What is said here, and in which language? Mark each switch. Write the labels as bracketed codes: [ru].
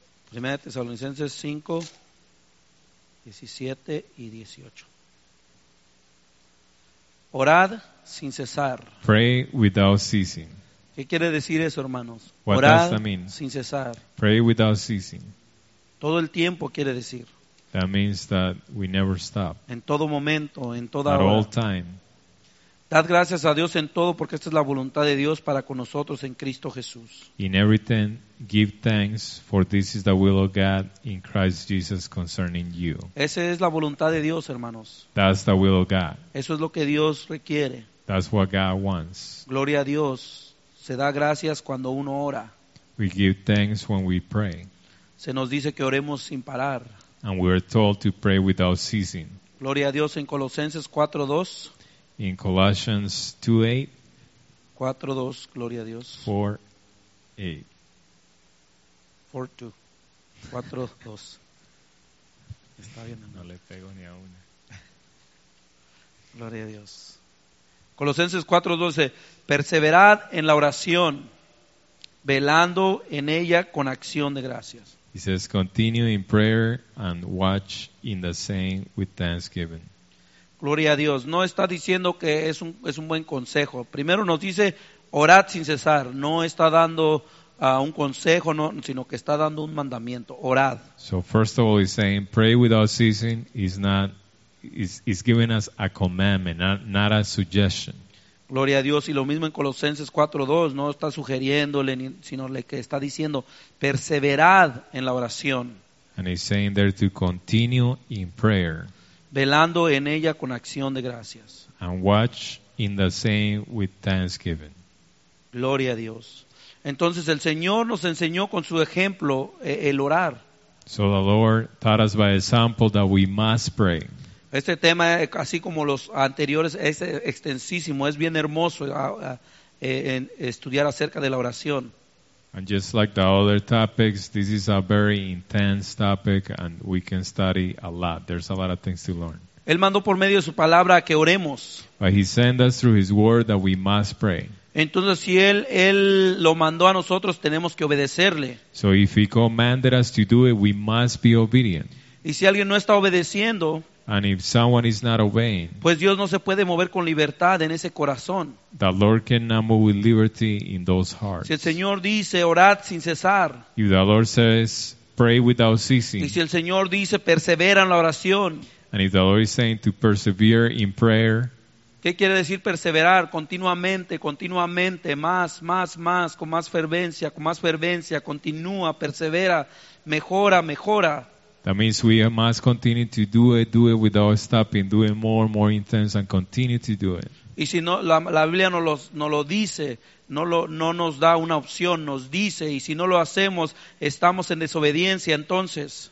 [es] Primera de Tesalonicenses 5. 17 y 18. Orad sin cesar. [en] Pray without ceasing. [es] ¿Qué quiere decir eso, hermanos? [en] What [es] orad [en] does that mean? [es] Sin cesar. [en] Pray without ceasing. [es] Todo el tiempo quiere decir. [en] That means that we never stop. [es] En todo momento, en toda [en] At [es] hora. [en] At all time. [es] Dad gracias a Dios en todo porque esta es la voluntad de Dios para con nosotros en Cristo Jesús. [en] In everything, give thanks, for this is the will of God in Christ Jesus concerning you. [es] Esa es la voluntad de Dios, hermanos. [en] That's the will of God. [es] Eso es lo que Dios requiere. [en] That's what God wants. [es] Gloria a Dios. Se da gracias cuando uno ora. [en] We give thanks when we pray. [es] Se nos dice que oremos sin parar. [en] And we are told to pray without ceasing. [es] Gloria a Dios en Colosenses 4:2. [en] In Colossians 2:8. [es] 4:2, gloria a Dios. [en] 4:8. [es] 4:2. Está bien, no le pego ni a una. Gloria a Dios. Colosenses 4:12, perseverad en la oración, velando en ella con acción de gracias. [en] He says, continue in prayer and watch in the same with thanksgiving. [es] Gloria a Dios. No está diciendo que es un buen consejo. Primero nos dice, orad sin cesar. No está dando un consejo, no, sino que está dando un mandamiento. Orad. [en] So first of all, he's saying, pray without ceasing is giving us a commandment, not a suggestion. [es] Gloria a Dios. Y lo mismo en Colosenses 4:2. No está sugiriéndole, sino le que está diciendo, perseverad en la oración. [en] And he's saying there to continue in prayer. [es] Velando en ella con acción de gracias. [en] And watch in the same with thanksgiving. [es] Gloria a Dios. Entonces el Señor nos enseñó con su ejemplo el orar. [en] So the Lord taught us by example that we must pray. [es] Este tema, así como los anteriores, es extensísimo, es bien hermoso en estudiar acerca de la oración. [en] And just like the other topics, this is a very intense topic and we can study a lot. There's a lot of things to learn. [es] Él mandó por medio de su palabra que oremos. [en] But he sent us through his word that we must pray. [es] Entonces si él lo mandó a nosotros, tenemos que obedecerle. [en] So if he commanded us to do it, we must be obedient. [es] Y si alguien no está obedeciendo, [en] and if someone is not obeying, [es] pues Dios no se puede mover con libertad en ese corazón. [en] The Lord cannot move with liberty in those hearts. [es] Si el Señor dice, orad sin cesar. [en] If the Lord says, pray without ceasing. [es] Y si el Señor dice, persevera en la oración. [en] And if the Lord is saying to persevere in prayer. [es] ¿Qué quiere decir perseverar? Continuamente, continuamente, más, más, más, con más fervencia, con más fervencia. Continúa, persevera, mejora, mejora. [en] That means we must continue to do it without stopping, do it more and more intense and continue to do it. [es] Y si no, la Biblia no lo dice, no nos da una opción, nos dice, y si no lo hacemos, estamos en desobediencia entonces.